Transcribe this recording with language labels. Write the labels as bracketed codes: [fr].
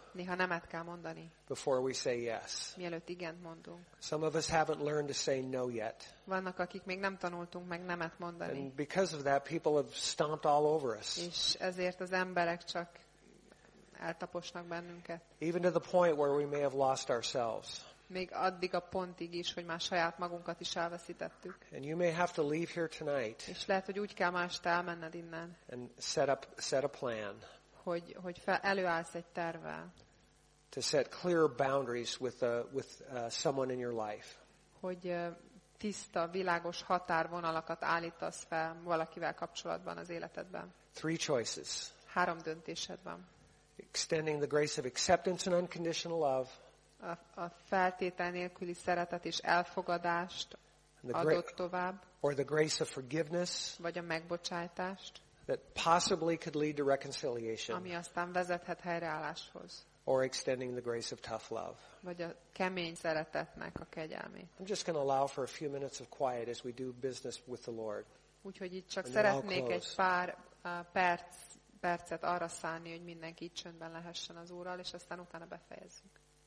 [hu] Néha nemet kell mondani. [en] Before we say yes. [hu] Mielőtt igent mondunk. [en] Some of us haven't learned to say no yet. [hu] Vannak, akik még nem tanultunk meg nemet mondani. [en] And because of that, people have stomped all over us. [hu] És ezért az emberek csak eltaposnak bennünket. [en] Even to the point where we may have lost ourselves. [hu] Még addig a pontig is, hogy már saját magunkat is elveszítettük. [en] And you may have to leave here tonight. [hu] És lehet, hogy úgy kell mást elmenned innen. [en] And set a plan. [hu] Hogy előállsz egy tervvel. [en] To set clear boundaries with someone in your life. [hu] Hogy tiszta, világos határvonalakat állítasz fel valakivel kapcsolatban az életedben. [en] Three choices. [hu] Három döntésed van. [en] Extending the grace of acceptance and unconditional love. [hu] A feltétel nélküli szeretet és elfogadást adott tovább. [en] Or the grace of forgiveness. [hu] Vagy a megbocsátást. [en] That possibly could lead to reconciliation. [hu] Ami aztán vezethet helyreálláshoz. [en] Or extending the grace of tough love. [hu] Vagy a kemény szeretetnek a kegyelmét. [en] I'm just going to allow for a few minutes of quiet as we do business with the Lord. [hu] Úgyhogy itt csak szeretnék egy pár percet arra szánni, hogy mindenki itt csöndben lehessen az Úrral, és aztán utána befejezzük.